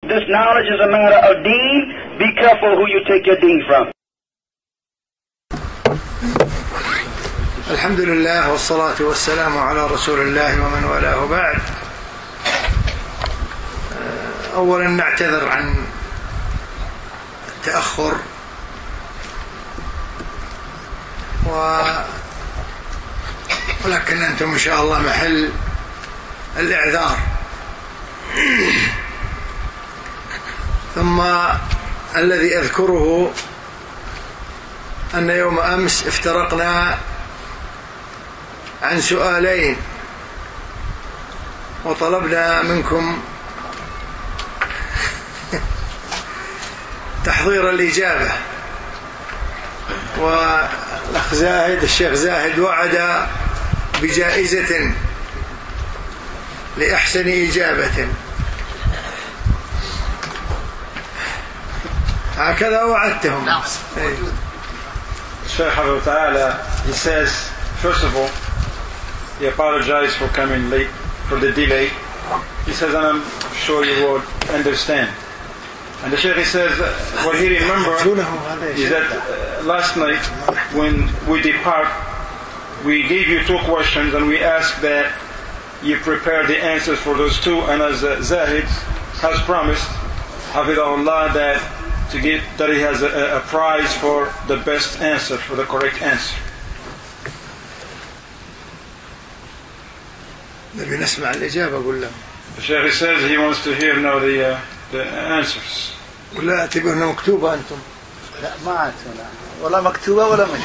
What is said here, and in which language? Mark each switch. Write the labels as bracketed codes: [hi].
[en] Because knowledge is a matter of deen. Be careful who you take your deen from. [ar] الحمد لله والصلاة والسلام على رسول الله ومن والاه بعد. أولا نعتذر عن التأخر ولكن أنتم إن شاء الله محل الإعذار. ثم الذي أذكره أن يوم أمس افترقنا عن سؤالين وطلبنا منكم تحضير الإجابة، والأخ زاهد الشيخ زاهد وعد بجائزة لأحسن إجابة، هكذا وعدتهم. الشيخ حفظه تعالى يقول [en] first of all he apologized for coming late, for the delay. He says, and I'm sure you would understand. And the Sheikh, he says, what he remembers is that last night when we depart, we gave you two questions and we asked that you prepare the answers for those two. And as Zahid has promised, Hafidhahullah, that to give, that he has a prize for the best answer, for the correct answer. [ar] نبي نسمع الإجابة أقول له. [en] The Sheikh says he wants to hear now the answers. [ar] ولا تبغى إنه مكتوبة أنتم؟ لا ما أنت ولا والله مكتوبة ولا مش.